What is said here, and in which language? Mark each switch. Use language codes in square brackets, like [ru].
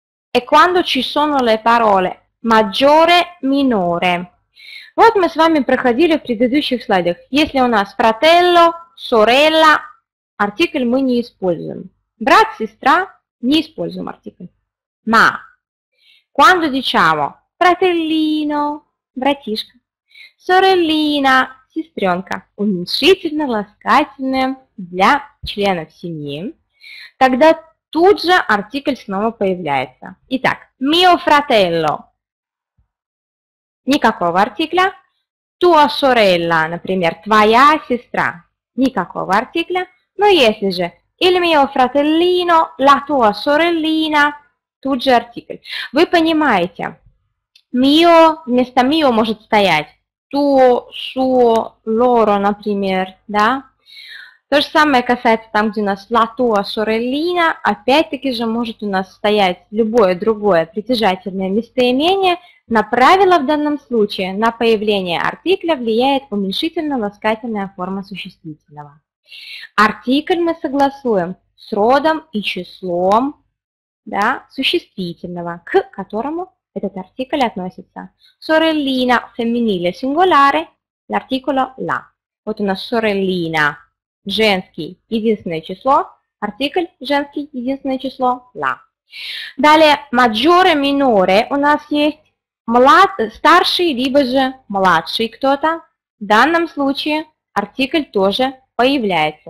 [it] E quando ci sono le parole maggiore, minore. [ru] Вот мы с вами проходили в предыдущих слайдах. Если у нас fratello, sorella, артикль мы не используем. Брат, сестра, не используем артикль. [it] Ma, quando diciamo fratellino, [ru] братишка, sorellina, сестренка, уменьшительно, ласкательное для членов семьи, тогда тут же артикль снова появляется. Итак, mio fratello. Никакого артикля. [it] Tua sorella, [ru] например, твоя сестра. Никакого артикля. Но если же [it] il mio fratellino, la tua sorellina, [ru] тут же артикль. Вы понимаете, mio вместо mio может стоять tuo, suo, loro, например, да? То же самое касается там, где у нас лату, асорелина. Опять-таки же может у нас стоять любое другое притяжательное местоимение. На правило в данном случае на появление артикля влияет уменьшительно-ласкательная форма существительного. Артикль мы согласуем с родом и числом, да, существительного, к которому этот артикль относится. [it] Sorellina femminile singolare, l'articolo la. [ru] Вот у нас sorellina. Женский, единственное число, артикль женский, единственное число, la. Далее, maggiore, minore, у нас есть старший, либо же младший кто-то. В данном случае артикль тоже появляется.